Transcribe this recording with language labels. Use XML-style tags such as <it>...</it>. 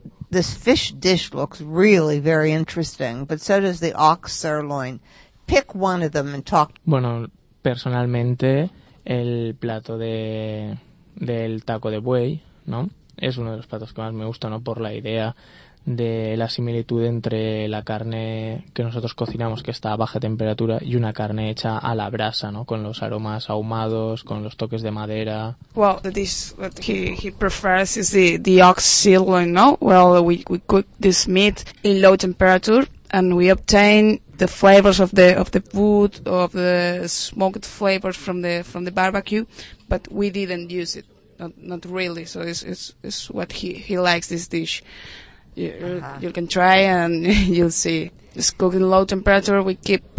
<en>This fish dish looks really very interesting, but so does the ox sirloin. Pick one of them and talk.</en> <es>Bueno, personalmente, el plato del taco de buey, ¿no? Es uno de los platos que más me gusta, ¿no? Por la idea de la similitud entre la carne que nosotros cocinamos, que está a baja temperatura, y una carne hecha a la brasa, ¿no? Con los aromas ahumados, con los toques de madera.</es> <en>Well, the dish that he prefers is the ox sirloin, ¿no? Well, we cook this meat in low temperature, and we obtain the flavors of the wood, of the smoked flavors from the barbecue, but we didn't use it, not really. So it's what he likes, this dish. You can try and you'll see. It's cooked in low temperature. We keep</en>